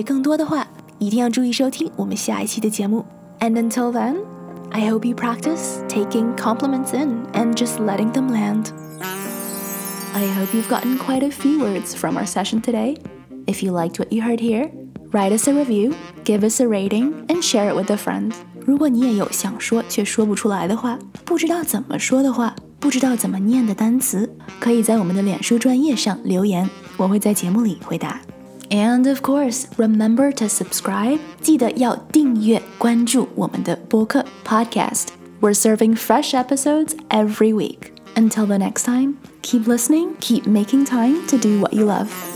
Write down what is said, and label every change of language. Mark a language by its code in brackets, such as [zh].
[zh] 那么如果你有兴趣了解更多的话,一定要注意收听我们下一期的节目。 [en] And until then, I hope you practice taking compliments in and just letting them land. I hope you've gotten quite a few words from our session today. If you liked what you heard here, write us a review, give us a rating, and share it with a friend. [zh] 如果你也有想说却说不出来的话,不知道怎么说的话,不知道怎么念的单词,可以在我们的脸书专页上留言,我会在节目里回答。 [en] And of course, remember to subscribe. [zh] 记得要订阅关注我们的播客 [en] podcast. We're serving fresh episodes every week. Until the next time, keep listening, keep making time to do what you love.